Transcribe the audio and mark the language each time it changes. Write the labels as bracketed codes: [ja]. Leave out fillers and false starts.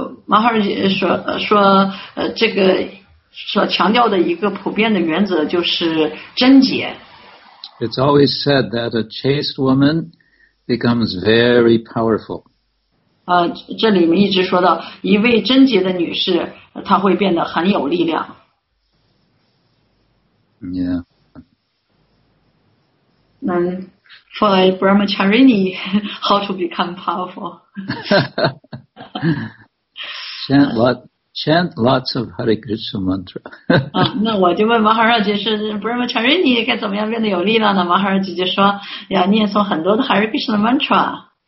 [zh] 马哈尔说这个所强调的一个普遍的原则就是贞洁。 [en] It's always said that a chaste woman becomes very powerful. [zh] 这里面一直说到一位贞洁的女士，她会变得很有力量。 [en] Yeah. And for a brahmacharini, how to become powerful? chant lots of Hare Krishna mantra. [zh] 那我就问马哈尔姐是 brahmacharini 该怎么样变得有力量呢？马哈尔姐就说要念诵很多的 Hare Krishna mantra.